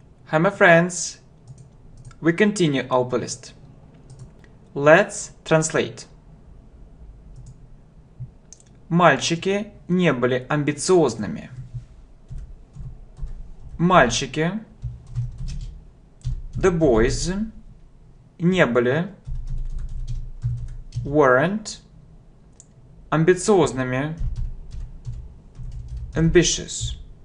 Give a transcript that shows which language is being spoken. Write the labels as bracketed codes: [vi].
[en] Hi my friends, we continue our playlist. Let's translate. [ru] Мальчики не были амбициозными. Мальчики, [en] the boys, [ru] не были, [en] weren't, [ru] амбициозными, [en] ambitious.